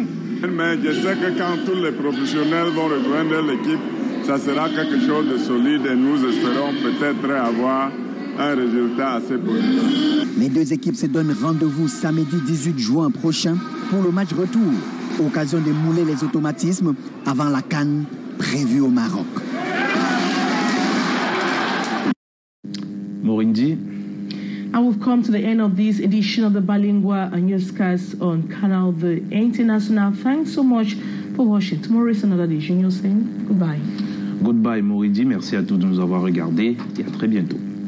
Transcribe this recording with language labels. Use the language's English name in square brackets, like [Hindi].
[French] Mais je sais que quand tous les professionnels vont rejoindre l'équipe, ça sera quelque chose de solide et nous espérons peut-être avoir un résultat assez positif. Les deux équipes se donnent rendez-vous samedi 18 juin prochain pour le match retour, occasion de mouler les automatismes avant la CAN prévue au Maroc. Morindi. [English] And we've come to the end of this edition of the Bilingue newscast on Canal the International. Thanks so much for watching. Tomorrow is another edition. You're saying goodbye. Goodbye, [French] Morindi. Merci à tous de nous avoir regardés et à très bientôt.